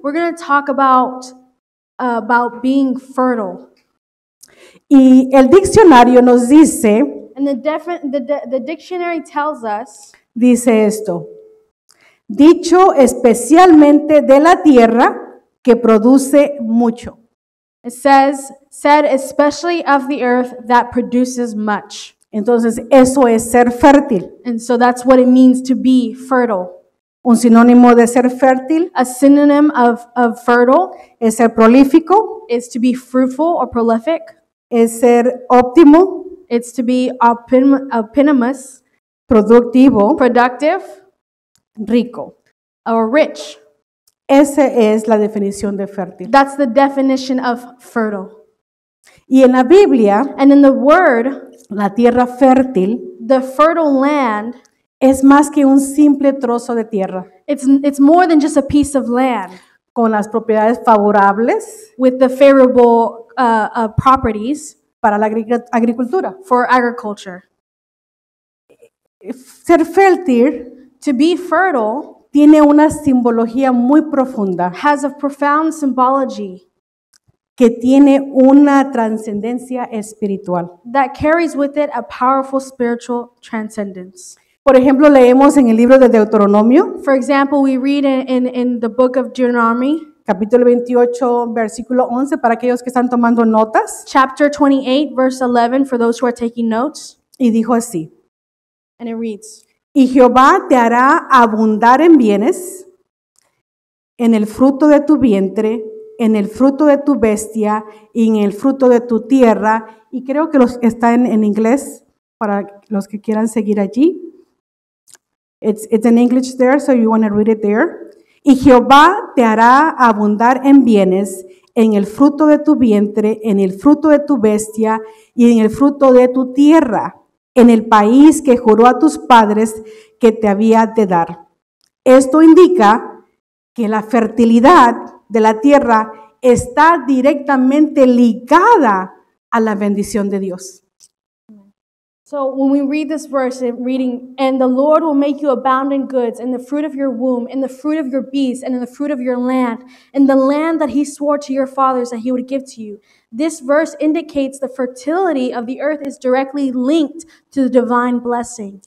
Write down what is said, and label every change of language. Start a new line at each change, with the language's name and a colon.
English: We're going to talk about being fertile.
Spanish: Y el diccionario nos dice.
English: And the dictionary tells us.
Spanish: Dice esto. Dicho especialmente de la tierra que produce mucho.
English: It says, said especially of the earth that produces much.
Spanish: Entonces, eso es ser fértil.
English: And so that's what it means to be fertile.
Spanish: Un sinónimo de ser fértil.
English: A synonym of fertile.
Spanish: Es ser prolífico.
English: Is to be fruitful or prolific.
Spanish: Es ser óptimo.
English: It's to be optimus.
Spanish: Productivo.
English: Productive.
Spanish: Rico.
English: Or rich.
Spanish: Esa es la definición de fértil.
English: That's the definition of fertile.
Spanish: Y en la Biblia.
English: And in the word.
Spanish: La tierra fértil.
English: The fertile land.
Spanish: Es más que un simple trozo de tierra.
English: It's more than just a piece of land.
Spanish: Con las propiedades favorables.
English: With the favorable properties.
Spanish: Para la agricultura.
English: For agriculture.
Spanish: Ser fértil.
English: To be fertile
Spanish: tiene una simbología muy profunda,
English: has a profound symbology
Spanish: que tiene una transcendencia espiritual,
English: that carries with it a powerful spiritual transcendence.
Spanish: Por ejemplo, leemos en el libro de Deuteronomio.
English: For example, we read in the book of Deuteronomy,
Spanish: capítulo 28, versículo 11, para aquellos que están tomando notas.
English: Chapter 28, verse 11, for those who are taking notes.
Spanish: Y dijo así.
English: And it reads.
Spanish: Y Jehová te hará abundar en bienes, en el fruto de tu vientre, en el fruto de tu bestia y en el fruto de tu tierra. Y creo que los está en inglés para los que quieran seguir allí.
English: It's in English there, so you want to read it there.
Spanish: Y Jehová te hará abundar en bienes, en el fruto de tu vientre, en el fruto de tu bestia y en el fruto de tu tierra. En el país que juró a tus padres que te había de dar. Esto indica que la fertilidad de la tierra está directamente ligada a la bendición de Dios.
English: So when we read this verse, reading, and the Lord will make you abound in goods, in the fruit of your womb, in the fruit of your beasts, and in the fruit of your land, in the land that he swore to your fathers that he would give to you. This verse indicates the fertility of the earth is directly linked to the divine blessing.